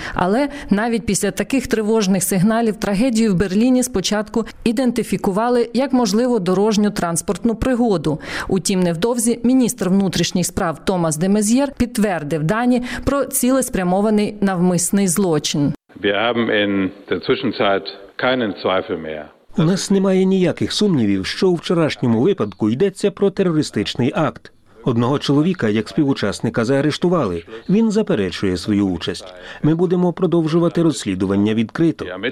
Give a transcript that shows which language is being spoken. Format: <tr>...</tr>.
<uk>Але навіть після таких тривожних сигналів трагедію в Берліні спочатку ідентифікували як можливу дорожню транспортну пригоду. Утім, невдовзі міністр внутрішніх справ Томас де Мез'єр підтвердив дані про цілеспрямований навмисний злочин.</uk> <de>Wir haben in der Zwischenzeit keinen Zweifel mehr.</de> <uk>У нас немає ніяких сумнівів, що у вчорашньому випадку йдеться про терористичний акт. Одного чоловіка, як співучасника, заарештували. Він заперечує свою участь. Ми будемо продовжувати розслідування відкрито.</uk>